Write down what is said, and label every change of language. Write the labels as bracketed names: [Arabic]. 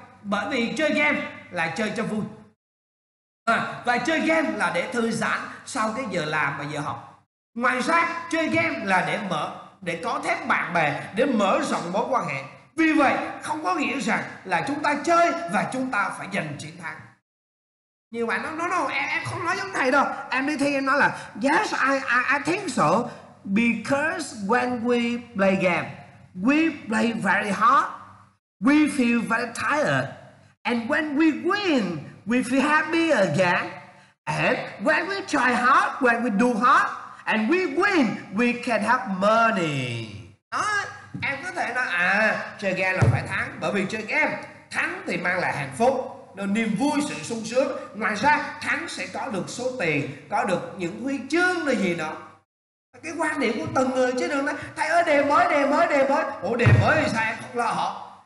[Vietnamese] Bởi vì chơi game là chơi cho vui. Và chơi game là để thư giãn sau cái giờ làm và giờ học. Ngoài ra, chơi game là để có thêm bạn bè, để mở rộng mối quan hệ. Vì vậy, không có nghĩa rằng là chúng ta chơi và chúng ta phải giành chiến thắng. Nhiều bạn nói, em không nói giống thầy đâu. Em đi thi, em nói là, yes, I think so. [English] Because when we play game, we play very hard, we feel very tired. And when we win, we feel happy again. And when we try hard, when we do hard, and we win, we can have money. [Vietnamese] Em có thể nói chơi game là phải thắng, bởi vì chơi game thắng thì mang lại hạnh phúc, niềm vui, sự sung sướng. Ngoài ra thắng sẽ có được số tiền, có được những huy chương là gì đó. Cái quan điểm của từng người chứ đừng nói thầy ơi đề mới. Ủa đề mới thì sao em không lo họ?